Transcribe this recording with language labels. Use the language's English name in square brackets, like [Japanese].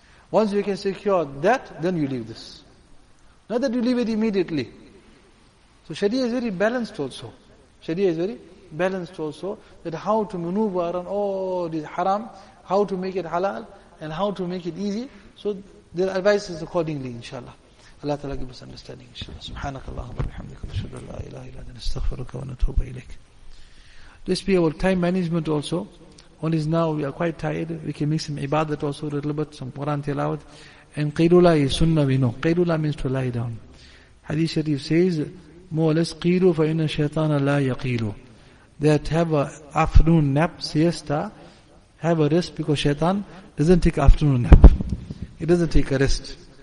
[English] Once you can secure that, then you leave this. Not that you leave it immediately. So Sharia is very balanced also. Sharia is very balanced also that how to maneuver around all this haram, how to make it halal, and how to make it easy. So their advice is accordingly, inshallah. الله تعالى give us understanding inshallah. [Arabic] سبحانك اللهم وبحمدك نشهد أن لا إله إلا أنت نستغفرك ونتوب إليك. [English] This be our time management also. One is now we are quite tired, we can make some ibadat also a little bit, some Quran tilawat. And qidula is sunnah, we know qidula means to lie down. Hadith Sharif says more or less [Arabic] qidu fa inna shaitana la yaqilu, [English] that have a afternoon nap, siesta, have a rest, because shaitan doesn't take afternoon nap, he doesn't take a rest.